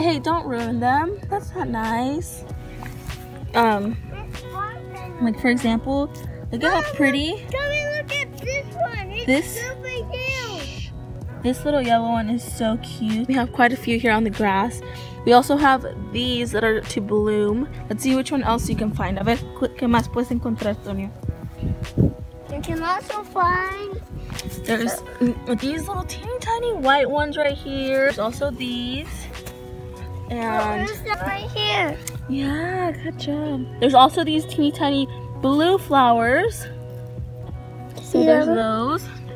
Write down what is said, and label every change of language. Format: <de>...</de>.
<en>Hey, don't ruin them. That's not nice. Like, for example, look at how pretty. Come and look at this one. It's super cute. This little yellow one is so cute. We have quite a few here on the grass. We also have these that are to bloom. Let's see which one else you can find.</en> <es>A ver, ¿qué más puedes encontrar, Antonio?</es> <en>You can also find... There's these little teeny tiny white ones right here. There's also these. And... Oh, there's right here. Yeah, good job. There's also these teeny tiny blue flowers. See, there's those.</en>